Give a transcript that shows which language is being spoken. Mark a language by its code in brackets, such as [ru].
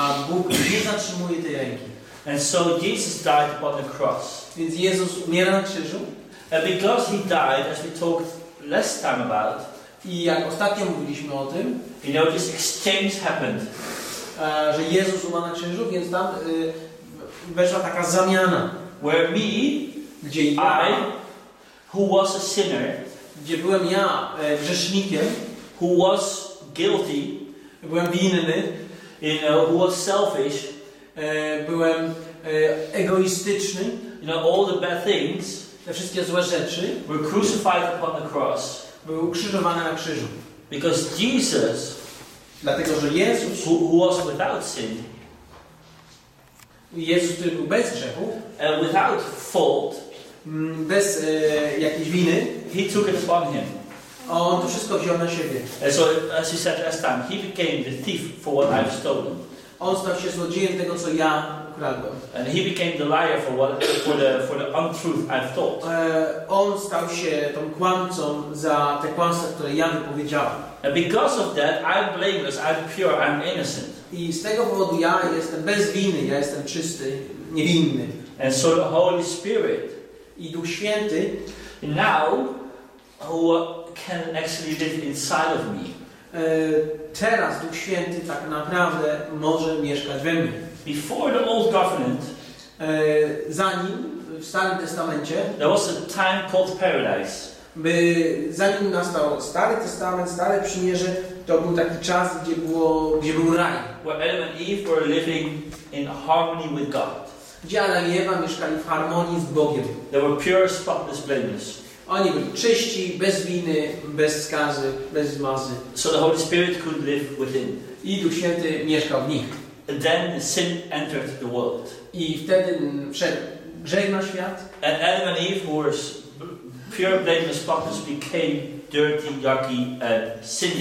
[pl] Bóg nie zatrzymuje tej ręki. [en] And so Jesus died upon the cross. [pl] Więc Jezus umiera na krzyżu. [en] And because he died, as we talked last time about, [pl] i jak ostatnio mówiliśmy o tym, [en] you know, this exchange happened. [pl] Że Jezus umarł na krzyżu, więc tam weszła taka zamiana. [en] Where me, [pl] gdzie [en] I, who was a sinner, [pl] gdzie byłem ja grzesznikiem, [en] who was guilty, [pl] byłem winny, [en] you know, who was selfish, [pl] byłem egoistyczny, [en] you know, all the bad things, [pl] te wszystkie złe rzeczy, [en] were crucified upon the cross, [pl] były ukrzyżowane na krzyżu. [en] Because Jesus, [pl] dlatego że Jezus, [en] who was without sin, [pl] Jezus, który był bez grzechu, [en] and without fault, [pl] bez jakiejś winy, [en] he took it upon him. [pl] On to wszystko wziął na siebie. [en] And so, as he said last time, he became the thief for what I've stolen. [pl] On stał się złodziejem tego, co ja ukradłem. [en] And he became the liar for what for the untruth I've told. [pl] On stał się tą kłamcą za te kłamstwa, które ja wypowiedziałem. [en] And because of that, I'm blameless, I'm pure, I'm innocent. [pl] I z tego powodu ja jestem bez winy, ja jestem czysty, niewinny. [en] And so the Holy Spirit, [pl] i Duch Święty, [en] now, who can actually live inside of me. [pl] Teraz Duch Święty tak naprawdę może mieszkać we mnie. [en] Before the old covenant, [pl] zanim w Starym Testamencie, [en] there was a time called paradise. [pl] Zanim nastał Stary Testament, Stare Przymierze, to był taki czas, gdzie był raj. [en] Where Adam and Eve were living in harmony with God. [pl] Gdzie Adam i Ewa mieszkali w harmonii z Bogiem. [en] They were pure, spotless, blameless. [pl] Oni byli czyści, bez winy, bez skazy, bez zmazy. [en] So the Holy Spirit could live within. [pl] I Duch Święty mieszkał w nich. [en] And then sin entered the world. [pl] I wtedy wszedł grzech na świat. [en] And Adam and Eve were pure, blameless, spotless became dirty, yucky, and sinful.